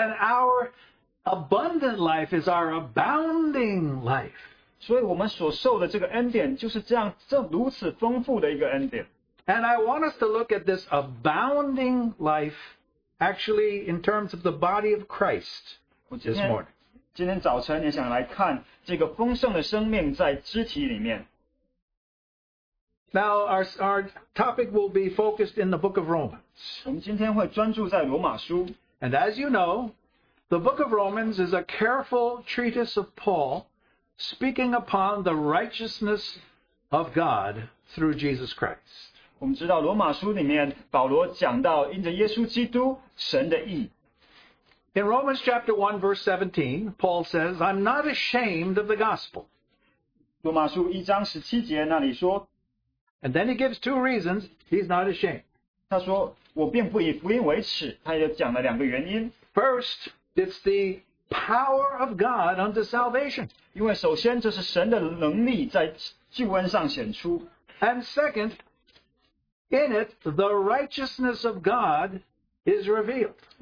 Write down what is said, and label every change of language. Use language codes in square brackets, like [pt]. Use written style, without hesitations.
[en] And our abundant life is our abounding life. [zh] 所以我们所受的这个恩典就是这样，这如此丰富的一个恩典。 [en] And I want us to look at this abounding life actually in terms of the body of Christ this morning. [zh] 今天早晨也想来看这个丰盛的生命在肢体里面。 [en] Now, our topic will be focused in the book of Romans. [zh] 我们今天会专注在罗马书。 [en] And as you know, the book of Romans is a careful treatise of Paul speaking upon the righteousness of God through Jesus Christ. [zh] 我们知道罗马书里面, 保罗讲到因着耶稣基督, 神的义。 [en] In Romans chapter 1, verse 17, Paul says, I'm not ashamed of the gospel. [zh] 罗马书1章17节那里说, [en] And then he gives two reasons he's not ashamed. [zh] 他说,我并不以福音为耻, 他也讲了两个原因。 [en] First, it's the power of God unto salvation. [zh] 因为首先这是神的能力在救恩上显出。 [en] And second, in it, the righteousness of God is revealed.